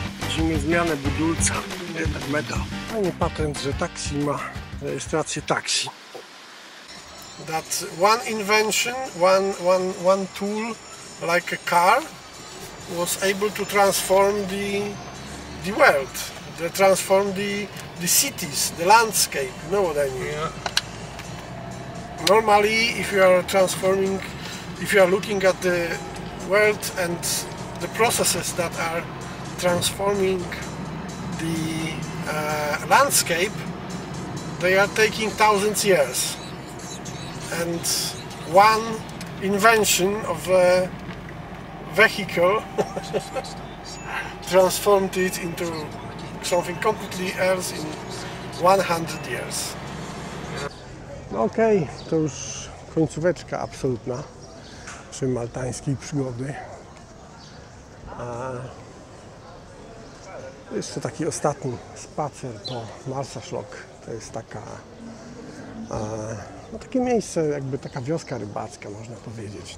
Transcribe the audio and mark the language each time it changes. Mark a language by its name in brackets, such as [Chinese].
[Polish] Zimę zmianę budulca, jednak meta. Fajny patent, że taksi ma rejestrację taksi. [English] That one invention, one tool, like a car, was able to transform the world. They transform the cities, the landscape, you know what I mean? Yeah. Normally, if you are transforming, if you are looking at the world and the processes that are transforming the landscape, they are taking thousands of years. And one invention of a vehicle transformed it into something completely else in 100 years. [Polish] Okej, to już końcóweczka absolutna przy maltańskiej przygody. Jeszcze taki ostatni spacer po Marsaszlok. To jest taka no takie miejsce, jakby taka wioska rybacka, można powiedzieć.